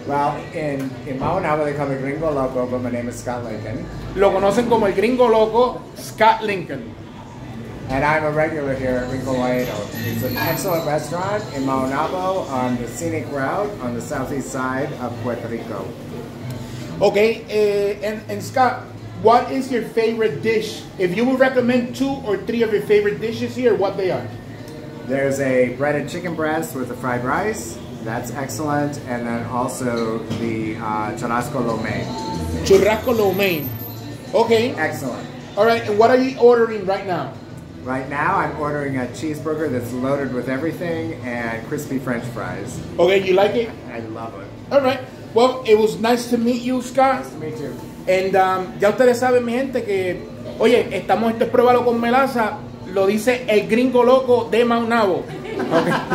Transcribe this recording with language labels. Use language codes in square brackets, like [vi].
[en] Well, in Maunabo they call me Gringo Loco, but my name is Scott Lincoln. [es] Lo conocen como el Gringo Loco, Scott Lincoln. [en] And I'm a regular here at Rico Laredo. It's an excellent restaurant in Maunabo on the scenic route on the southeast side of Puerto Rico. Okay, and Scott, what is your favorite dish? If you would recommend two or three of your favorite dishes here, what they are? There's a breaded chicken breast with a fried rice. That's excellent. And then also the churrasco lo mein. Churrasco lo mein. Okay. Excellent. All right, and what are you ordering right now? Right now, I'm ordering a cheeseburger that's loaded with everything and crispy French fries. Okay, you like it? I love it. All right. Well, it was nice to meet you, Scott. Nice to meet you. [es] And ya ustedes saben, mi gente, que, oye, estamos, esto es Pruébalo con Melaza, lo dice el Gringo Loco de Maunabo. Okay.